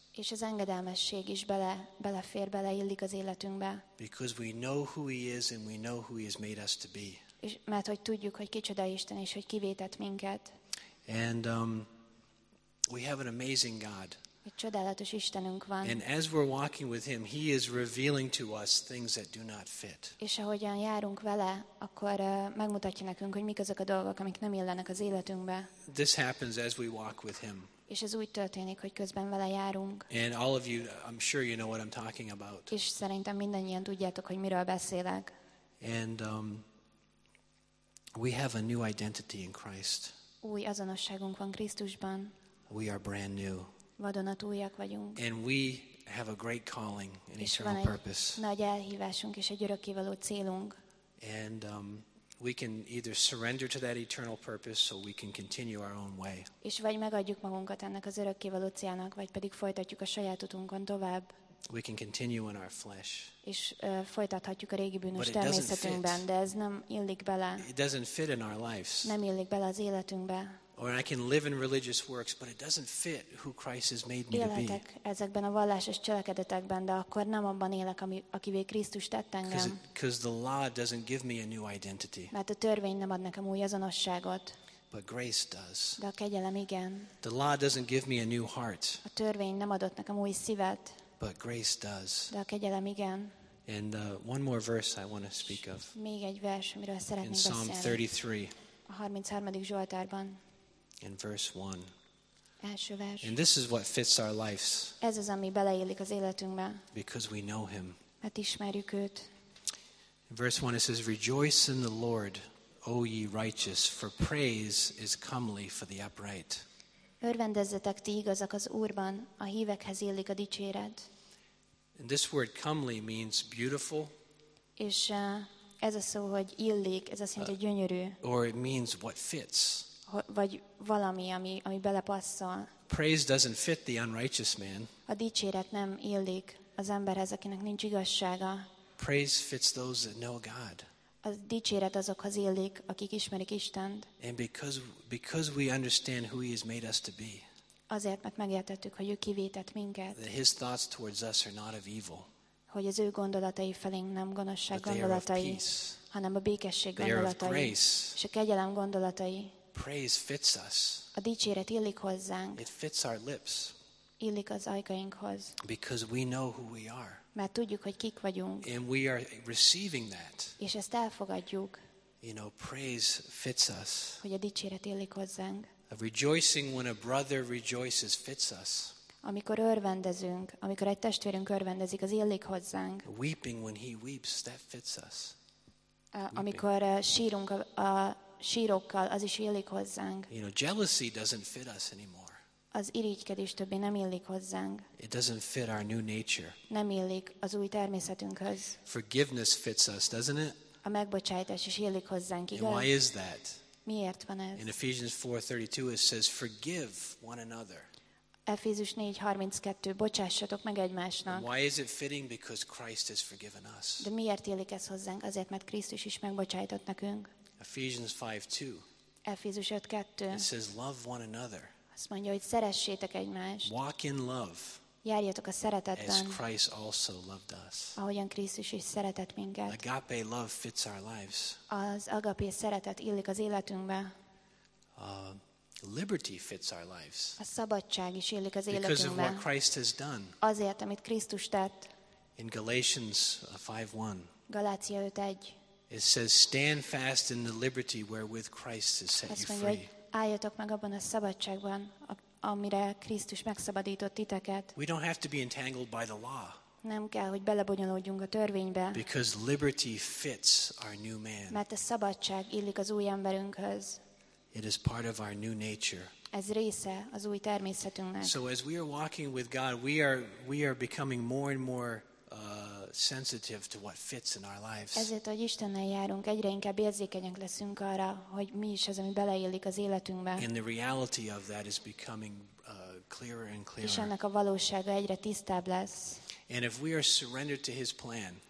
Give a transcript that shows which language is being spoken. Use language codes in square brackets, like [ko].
[hu] És az engedelmesség is belefér, beleillik az életünkbe. [en] Because we know who He is and we know who He has made us to be. [hu] És mert hogy tudjuk, hogy kicsoda Isten és hogy kivétett minket. [en] And we have an amazing God. [hu] Egy csodálatos Istenünk van. [en] And as we're walking with Him, He is revealing to us things that do not fit. [hu] És ahogyan járunk vele, akkor megmutatja nekünk, hogy mik azok a dolgok, amik nem illenek az életünkbe. [en] This happens as we walk with Him. [hu] És ez úgy történik, hogy közben vele járunk. [en] And all of you, I'm sure you know what I'm talking about. [hu] És szerintem mindannyian tudjátok, hogy miről beszélek. [en] And we have a new identity in Christ. [hu] Új azonosságunk van Krisztusban. [en] We are brand new. [hu] Vadonatújak vagyunk. [en] And we have a great calling and eternal purpose. [hu] Nagy elhívásunk és egy örökkévaló célunk. [en] And we can either surrender to that eternal purpose so we can continue our own way. [hu] És vagy megadjuk magunkat ennek az örökkévaló célnak, vagy pedig folytatjuk a saját utunkon tovább. [en] We can continue in our flesh. [hu] És folytathatjuk a régi bűnös természetünkben, de ez nem illik bele. [en] It doesn't fit in our lives. [hu] Nem illik bele az életünkbe. [en] Or I can live in religious works, but it doesn't fit who Christ has made me to be. [hu] Ezekben a vallásos cselekedetekben, de akkor nem abban élek, akivé Krisztus tett engem. [en] Because the law doesn't give me a new identity. [hu] Mert a törvény nem ad nekem új azonosságot. [en] But grace does. [hu] De a kegyelem igen. [en] The law doesn't give me a new heart. [hu] A törvény nem adott nekem új szívet. [en] But grace does. [hu] De a kegyelem igen. [en] And one more verse I want to speak of. [hu] Még egy vers, amiről szeretnék beszélni. [en] In Psalm 33. [hu] A 33. Zsoltárban. [en] In verse 1. [hu] Első vers. [en] And this is what fits our lives. [hu] Ez az, ami beleillik az életünkbe. [en] Because we know Him. [hu] Mert ismerjük őt. [en] In verse 1 it says, Rejoice in the Lord, O ye righteous, for praise is comely for the upright. [hu] Örvendezzetek ti igazak az Úrban, a hívekhez illik a dicséret. [en] And this word comely means beautiful. [hu] És ez a szó, hogy illik, ez azt jelenti, hogy gyönyörű. [en] Or it means what fits. [hu] Vagy valami, ami belepasszol. [en] Praise doesn't fit the unrighteous man. [hu] A dicséret nem illik az emberhez, akinek nincs igazsága. [en] Praise fits those that know God. [hu] A dicséret azokhoz illik, akik ismerik Istent. [en] And because we understand who He has made us to be. [hu] Azért, mert megértettük, hogy ő kivétett minket. [en] That His thoughts towards us are not of evil. [hu] Hogy az ő gondolatai felénk nem gonoszság gondolatai, hanem a békesség gondolatai. És a kegyelem gondolatai. [en] Praise fits us. [hu] A dicséret illik hozzánk. [en] It fits our lips. [hu] Illik az ajkainkhoz. [en] Because we know who we are. [hu] Mert tudjuk, hogy kik vagyunk. [en] And we are receiving that. [hu] És ezt elfogadjuk. [en] You know, praise fits us. [hu] Hogy a dicséret illik hozzánk. [en] A rejoicing when a brother rejoices fits us. [hu] Amikor örvendezünk, amikor egy testvérünk örvendezik, az illik hozzánk. [en] A weeping when he weeps, that fits us. [hu] Amikor sírunk a sírókkal, az is illik hozzánk. [en] You know, jealousy doesn't fit us anymore. [hu] Az irigykedés többé nem illik hozzánk. [en] It doesn't fit our new nature. [hu] Nem illik az új természetünkhöz. [en] Forgiveness fits us, doesn't it? [hu] A megbocsátás is illik hozzánk, igaz? [en] And why is that? [hu] Miért van ez? [en] In Ephesians 4:32 it says, forgive one another. [hu] Efézus 4:32, bocsássatok meg egymásnak. [en] And why is it fitting? Because Christ has forgiven us. [hu] De miért illik ez hozzánk? Azért, mert Krisztus is megbocsájtott nekünk. [en] Ephesians 5:2. [hu] Efézus 5:2. [en] It says love one another. [hu] Azt mondja, hogy szeressétek egymást. [en] Walk in love. [hu] Járjatok a szeretetben. [en] As Christ also loved us. [hu] Ahogyan Krisztus is szeretett minket. [en] Agape love fits our lives. [hu] Az agapé szeretet illik az életünkbe. [en] Liberty fits our lives. [hu] A szabadság is illik az életünkbe. [en] Because of what Christ has done. [hu] Azért, amit Krisztus tett. [en] In Galatians 5:1. [hu] Galácia 5:1. [en] It says, "Stand fast in the liberty wherewith Christ has set you free." [hu] Álljatok meg abban a szabadságban, amire Krisztus megszabadított titeket. [en] We don't have to be entangled by the law. [hu] Nem kell, hogy belebonyolódjunk a törvénybe. [en] Because liberty fits our new man. [hu] Mert a szabadság illik az új emberünkhöz. [en] It is part of our new nature. [hu] Ez része az új természetünknek. [en] So as we are walking with God, we are becoming more and more sensitive to what fits in our lives. [hu] Ezért, hogy Istennel járunk, egyre inkább érzékenyek leszünk arra, hogy mi is az, ami beleillik az életünkbe. [en] And the reality of that is becoming clearer and clearer. [hu] És ennek a valósága egyre tisztább lesz. [en] And if we are surrendered to His plan,